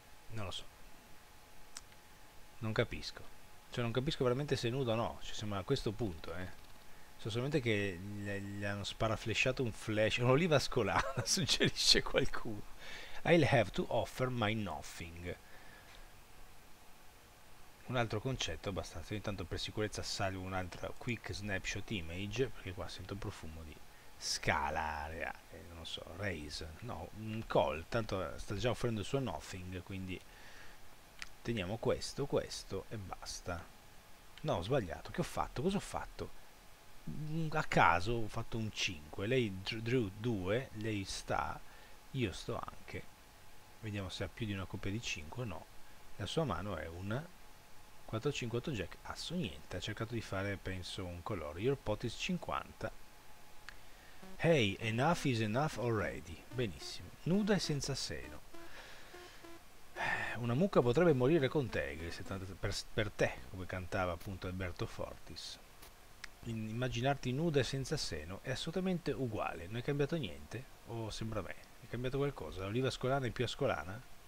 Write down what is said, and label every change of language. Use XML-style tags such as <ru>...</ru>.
<it>Non lo so. Non capisco. Cioè, non capisco veramente se è nudo o no. Ci cioè, siamo a questo punto, eh. So solamente che gli hanno sparaflesciato un flash. Un'oliva scolare, suggerisce qualcuno.</it> <en>I'll have to offer my nothing.</en> <it>Un altro concetto abbastanza. Intanto, per sicurezza, salvo un'altra</it> <en>quick snapshot image.</en> <it>Perché qua sento profumo di scala, non so, raise. No, call. Tanto sta già offrendo il suo nothing. Quindi. Teniamo questo, questo e basta. No, ho sbagliato. Che ho fatto? Cosa ho fatto? A caso ho fatto un 5. Lei drew 2, lei sta, io sto anche. Vediamo se ha più di una coppia di 5. No. La sua mano è un 4-5-8 jack. Asso niente. Ha cercato di fare, penso, un colore.</it> <en>Your pot is 50. Hey, enough is enough already.</en> <it>Benissimo. Nuda e senza seno. Una mucca potrebbe morire con te, per te, come cantava appunto Alberto Fortis. Immaginarti nuda e senza seno è assolutamente uguale, non è cambiato niente, o sembra me, è cambiato qualcosa, l'oliva ascolana è più ascolana?</it>